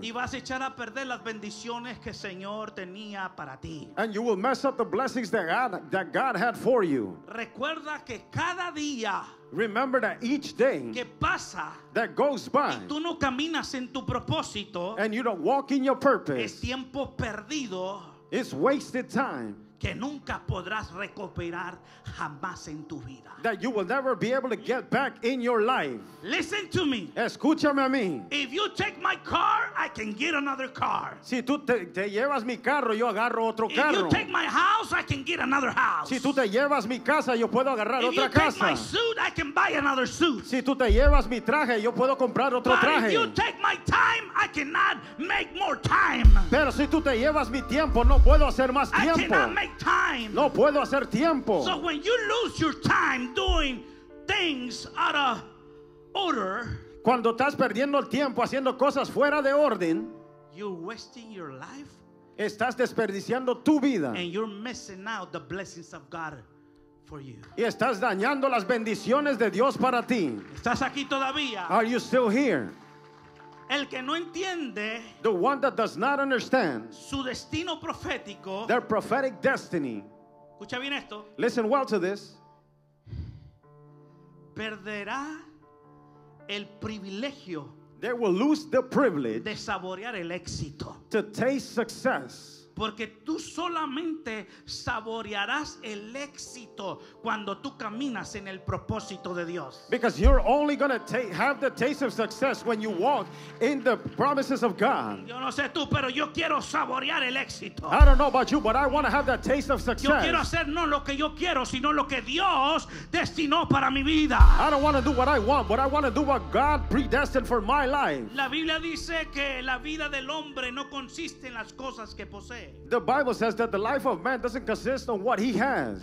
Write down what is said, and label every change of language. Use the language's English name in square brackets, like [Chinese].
[Spanish] y vas a echar a perder las bendiciones que el Señor tenía para ti, [English] and you will mess up the blessings that God had for you. [Spanish] Recuerda que cada día, [English] remember that each day [Spanish] que pasa, [English] that goes by, [Spanish] y tú no caminas en tu propósito, [English] and you don't walk in your purpose, [Spanish] es tiempo perdido, [English] it's wasted time, [Spanish] que nunca podrás recuperar jamás en tu vida. [English] That you will never be able to get back in your life. Listen to me. [Spanish] Escúchame a mí. [English] If you take my car, I can get another car. [Spanish] Si tú te llevas mi carro, yo agarro otro carro. [English] If you take my house, I can get another house. [Spanish] Si tú te llevas mi casa, yo puedo agarrar otra casa. [English] If you take my suit, I can buy another suit. [Spanish] Si tú te llevas mi traje, yo puedo comprar otro traje. [English] But if you take my time, I cannot make more time. [Spanish] Pero si tú te llevas mi tiempo, no puedo hacer más tiempo. [English] I cannot make time. [Spanish] No puedo hacer tiempo. [English] So when you lose your time doing things out of order, [Spanish] cuando estás perdiendo el tiempo haciendo cosas fuera de orden, [English] you're wasting your life. [Spanish] Estás desperdiciando tu vida. [English] And you're missing out the blessings of God for you. [Spanish] Y estás dañando las bendiciones de Dios para ti. ¿Estás aquí todavía? [English] Are you still here? [Spanish] El que no entiende, [English] the one that does not understand, [Spanish] su destino profético, [English] their prophetic destiny, [Spanish] escucha bien esto, [English] listen well to this, [Spanish] perderá el privilegio, [English] they will lose the privilege, [Spanish] de saborear el éxito, [English] to taste success. [Spanish] Porque tú solamente saborearás el éxito cuando tú caminas en el propósito de Dios. [English] Because you're only going to have the taste of success when you walk in the promises of God. [Spanish] Yo no sé tú, pero yo quiero saborear el éxito. [English] I don't know about you, but I want to have that taste of success. [Spanish] Yo quiero hacer no lo que yo quiero, sino lo que Dios destinó para mi vida. [English] I don't want to do what I want, but I want to do what God predestined for my life. [Spanish] La Biblia dice que la vida del hombre no consiste en las cosas que posee. [English] The Bible says that the life of man doesn't consist on what he has.